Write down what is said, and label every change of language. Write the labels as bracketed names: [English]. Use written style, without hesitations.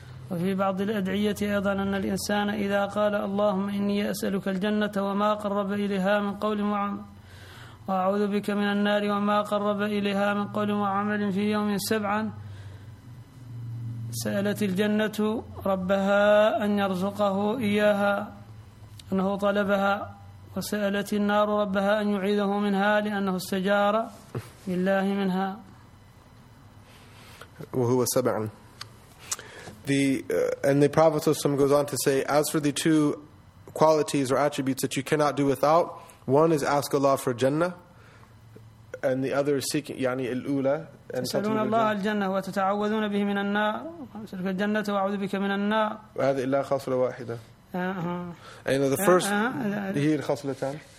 [Arabic] وفي بعض الأدعية أيضا أن الإنسان إذا قال اللهم إني أسألك الجنة وما قرب إليها من قول وعمل وأعوذ بك من النار وما قرب إليها من قول وعمل في يوم سبعا سألت الجنة ربها أن يرزقه إياها أنه طلبها وسألت النار ربها أن يعيذه منها لأنه استجار لله منها وهو سبع. [English] And the Prophet ﷺ goes on to say, as for the two qualities or attributes that you cannot do without, one is ask Allah for Jannah, and the other is seeking yani al-ula and [Arabic] سألون الله الجنة وتتعوذون به من النار سألك الجنة وأعوذ بك من النار وهذه إلا خصلة واحدة. [English] You know, the first [Arabic] هي الخصلتان.